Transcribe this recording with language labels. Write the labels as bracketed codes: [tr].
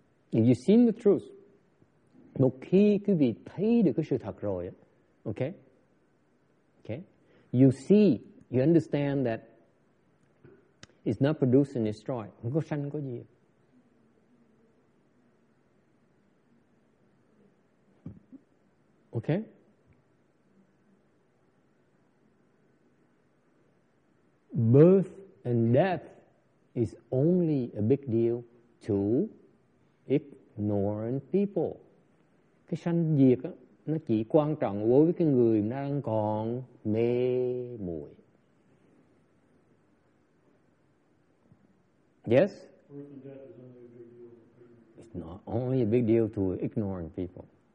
[en] If you've seen the truth, [vi] một khi quý vị thấy được cái sự thật rồi, okay? [en] Okay? You see, you understand that it's not produced and destroyed. [vi] Không có sanh, có diệt. [en] Okay? Birth and death is only a big deal to ignorant people. [vi] Cái sanh diệt á, nó chỉ quan trọng đối với cái người đang còn mê muội. [en] Yes? It's not only a big deal to ignorant people.